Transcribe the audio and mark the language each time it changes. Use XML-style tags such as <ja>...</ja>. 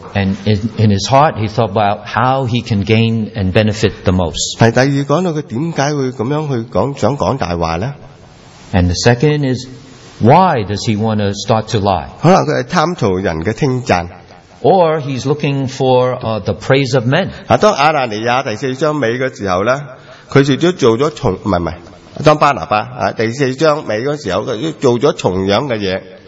<en>and in his heart, he thought about how he can gain and benefit the most.</en> <zh>第二,讲到他为什么会想说大话呢?</zh> <en>And the second is, why does he want to start to lie? Or he's looking for the praise of men.</en> <zh>当巴拿巴第四章尾的时候,他做了同样的事。</zh>